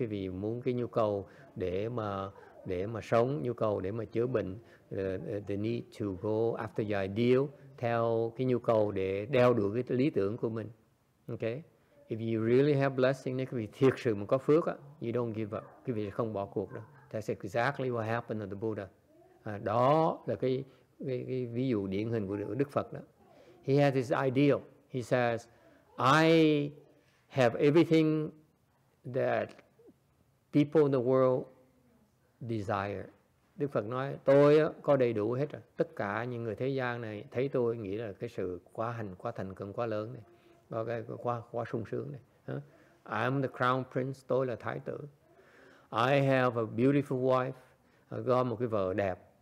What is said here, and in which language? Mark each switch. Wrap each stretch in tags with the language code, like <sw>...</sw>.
<vi>Quý vị muốn cái nhu cầu để mà sống, nhu cầu để mà chữa bệnh,</vi> <en>the need to go after your ideal,</en> <vi>theo cái nhu cầu để đeo đuổi cái lý tưởng của mình. Okay?</vi> <en>If you really have blessing,</en> <vi>nếu quý vị thiệt sự mà có phước,</vi> <en>you don't give up.</en> <vi>Quý vị không bỏ cuộc đâu.</vi> <en>That's exactly what happened to the Buddha.</en> <vi>Đó là cái ví dụ điển hình của Đức Phật đó.</vi> <en>He has his ideal. He says, I have everything that people in the world desire.</en> <vi>Đức Phật nói, tôi có đầy đủ hết rồi. Tất cả những người thế gian này thấy tôi nghĩ là cái sự quá hành, quá thành công, quá lớn này. Okay, quá sung sướng này.</vi> <en>I'm the crown prince,</en> <vi>tôi là thái tử.</vi> <en>I have a beautiful wife,</en> <vi>có một cái vợ đẹp.</vi>